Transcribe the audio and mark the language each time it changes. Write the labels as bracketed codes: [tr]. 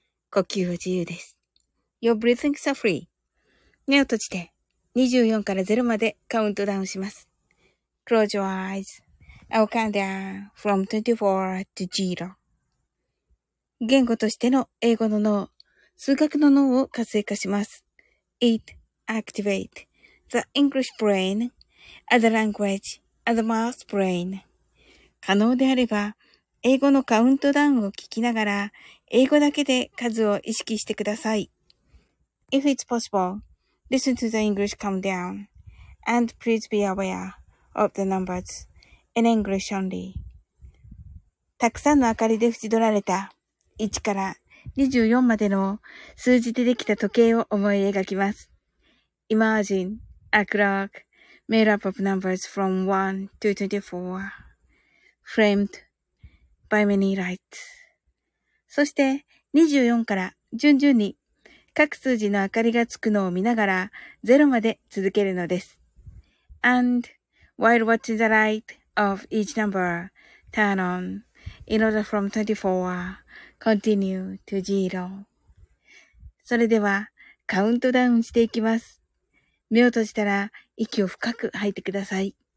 [ja] 呼吸は自由です。 [en] Your breathing is free. [ja] 目を閉じて24から0までカウントダウンします。 [en] Close your eyes. I'll count down from 24 to 0. [ja] 言語としての英語の脳、数学の脳を活性化します。 [en] It activates the English brain as the language as the mouth brain. [ja] 可能であれば、英語のカウントダウンを聞きながら、英語だけで数を意識してください。 [en] If it's possible, listen to the English countdown and please be aware of the numbers in English only. [ja] たくさんの明かりで縁取られた1から24までの数字でできた時計を思い描きます。 [en] Imagine a clock made up of numbers from 1 to 24, framed by many lights. [ja] そして24から順々に各数字の明かりがつくのを見ながら0まで続けるのです。 [en] And while watching the light of each number turn on in order from 24,Continue to zero. [ja] それでは、カウントダウンしていきます。目を閉じたら、息を深く吐いてください。